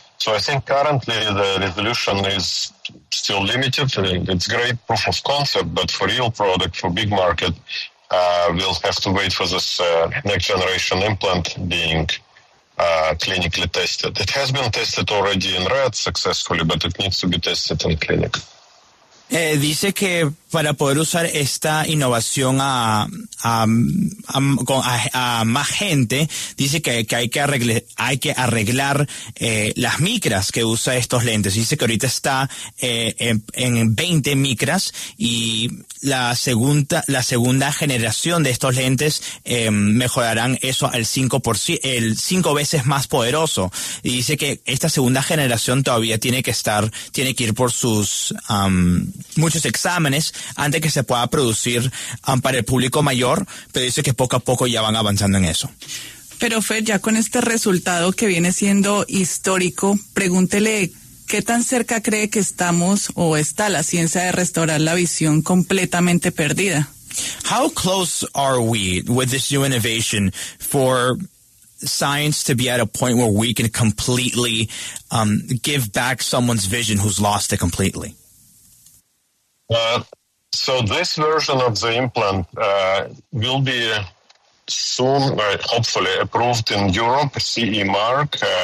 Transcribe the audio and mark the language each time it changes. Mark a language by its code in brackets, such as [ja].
[en] So I think currently the resolution is still limited. It's great proof of concept, but for real product, for big market, we'll have to wait for this next generation implant being clinically tested. It has been tested already in rats successfully, but it needs to be tested in clinic. [es] Dice que para poder usar esta innovación más gente, dice que hay que arreglar las micras que usa estos lentes. Dice que ahorita está en 20 micras y la segunda generación de estos lentes mejorarán eso al 5%, el 5 veces más poderoso. Y dice que esta segunda generación todavía tiene que ir por sus muchos exámenes antes que se pueda producir para el público mayor, pero dice que poco a poco ya van avanzando en eso. Pero Fer, ya con este resultado que viene siendo histórico, pregúntele, ¿qué tan cerca cree que estamos o está la ciencia de restaurar la visión completamente perdida? [en] How close are we with this new innovation for science to be at a point where we can completely give back someone's vision who's lost it completely? So this version of the implant will be soon, hopefully, approved in Europe, CE mark.